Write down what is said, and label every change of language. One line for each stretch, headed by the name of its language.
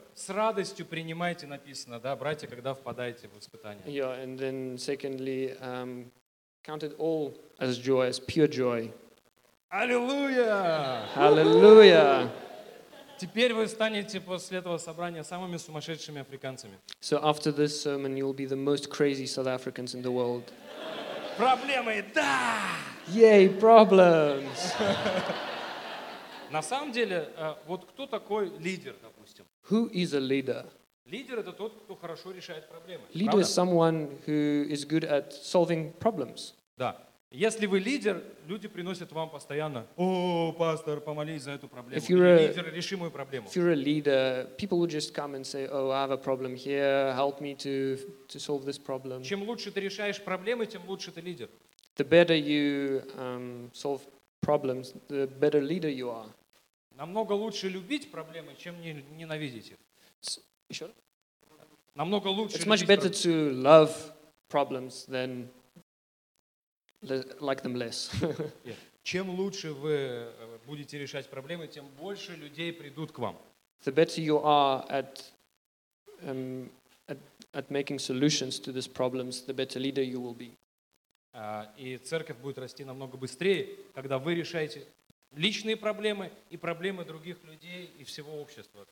Russian: С радостью принимайте написано, да, братья, когда впадаете в испытание.
English: Yeah, and then secondly, count it all as joy, as pure joy. Hallelujah! Hallelujah!
Russian: Теперь вы станете после этого собрания самыми сумасшедшими африканцами.
English: So after this sermon, you'll be the most crazy South Africans in the world.
Russian: Проблемы, да!
English: Yay, problems!
Russian: На самом деле, вот кто такой лидер, допустим?
English: Who is a leader?
Russian: Лидер это тот, кто хорошо решает проблемы.
English: Leader is someone who is good at solving problems.
Russian: Да. Если вы лидер, люди приносят вам постоянно: о, пастор, помолись за эту проблему.
English: If you're
Russian: лидер, реши мою проблему.
English: If you're a leader, people will just come and say, oh, I have a problem here, help me to solve this problem.
Russian: Чем лучше ты решаешь проблемы, тем лучше ты лидер.
English: The better you solve problems, the better leader you are.
Russian: Намного лучше любить проблемы, чем ненавидеть их. Еще раз? Намного лучше.
English: It's much better to love problems than like them less.
Russian: Чем лучше вы будете решать проблемы, тем больше людей придут к вам.
English: The better you are at making solutions to these problems, the better leader you will be.
Russian: И церковь будет расти намного быстрее, когда вы решаете личные проблемы и проблемы других людей и всего общества,